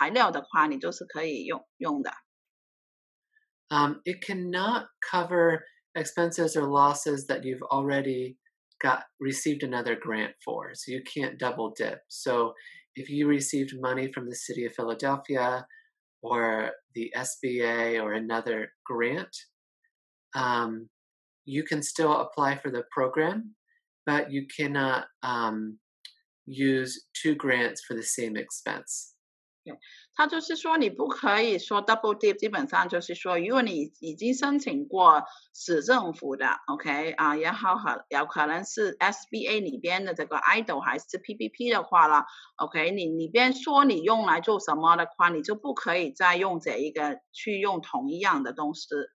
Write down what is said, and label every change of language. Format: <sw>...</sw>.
<zh>这个也可以用来做营运基金，OK，就是要重开的那个成本，就在你需要付，就是为了这个安全，可能需要买一些口罩啊，其他的这个防务的，就是这个材料的话，你就是可以用的。</zh> <en>It cannot cover expenses or losses that you've already received another grant for, so you can't double dip. So if you received money from the City of Philadelphia or the SBA or another grant, you can still apply for the program, but you cannot use two grants for the same expense.</en> <zh>他就是说你不可以说 double dip， 基本上就是说，如果你已经申请过市政府的 ，OK 啊，然后有可能是 SBA 里边的这个 idle 还是 PPP 的话了 ，OK， 你边说你用来做什么的话，你就不可以再用这一个去用同一样的东西。</zh>